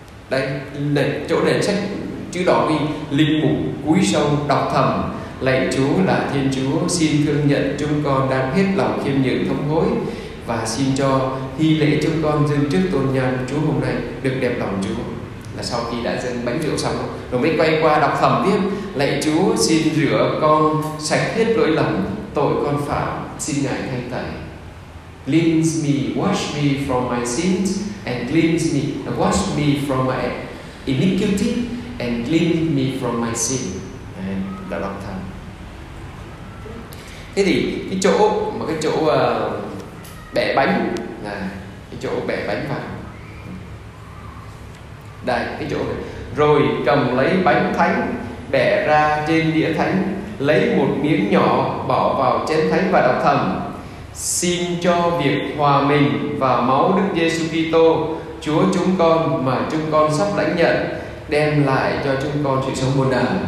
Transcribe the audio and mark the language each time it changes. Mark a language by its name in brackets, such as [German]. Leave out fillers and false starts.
[Vietnamese] đây này, chỗ này sách chữ đỏ ghi linh mục cúi sâu đọc thầm: lạy Chúa là Thiên Chúa, xin thương nhận chúng con đang hết lòng khiêm nhường thống hối và xin cho hy lễ chúng con dâng trước tôn nhan Chúa hôm nay được đẹp lòng Chúa. Là sau khi đã dâng bánh rượu xong rồi mới quay qua đọc thầm tiếp: lạy Chúa, xin rửa con sạch hết lỗi lầm tội con phạm, xin Ngài thay tẩy. [English] Cleanse me, wash me from my sins, and cleanse me, wash me from my iniquity, and clean me from my sin. [Vietnamese] Đã đọc thầm. Thế thì cái chỗ mà cái chỗ bẻ bánh, cái chỗ bẻ bánh vào đây, cái chỗ này. Rồi cầm lấy bánh thánh, bẻ ra trên đĩa thánh, lấy một miếng nhỏ bỏ vào chén thánh và đọc thầm: xin cho việc hòa mình vào máu Đức Giêsu Kitô, Chúa chúng con mà chúng con sắp lãnh nhận, đem lại cho chúng con sự sống muôn đời.